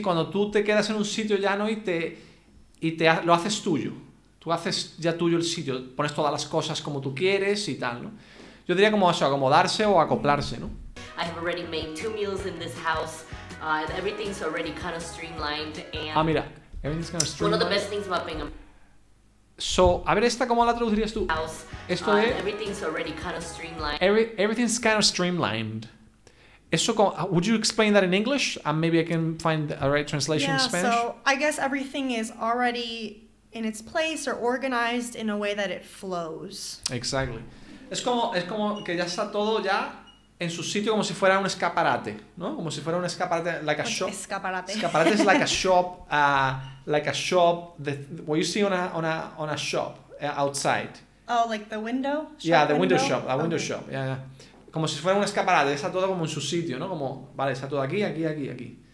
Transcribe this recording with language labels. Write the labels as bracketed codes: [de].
[es] Cuando tú te quedas en un sitio ya, ¿no? Y te lo haces tuyo. Tú haces ya tuyo el sitio, pones todas las cosas como tú quieres y tal, ¿no? Yo diría como eso, acomodarse o acoplarse, ¿no? [en] I have already made two meals in this house. Everything's already kind of streamlined and... [es] Ah, mira. [en] Everything's kind of streamlined. One of the best things about being a... [es] So, a ver esta, ¿cómo la traducirías tú? [en] House. [es] Esto es... [en] Everything's already kind of streamlined. Everything's kind of streamlined. Eso, would you explain that in English? And maybe I can find a right translation yeah, in Spanish. Yeah, so I guess everything is already in its place or organized in a way that it flows. Exactly. [es] Es como que ya está todo ya en su sitio, como si fuera un escaparate, ¿no? Como si fuera un escaparate, [en] like a shop. [es] Escaparate. Escaparate es [en] like a shop, what you see on a shop outside. Oh, like the window? Shop yeah, the window, window shop, a okay. Window shop, yeah, yeah. [es] Como si fuera un escaparate, está todo como en su sitio, ¿no? Como, vale, está todo aquí, aquí, aquí, aquí.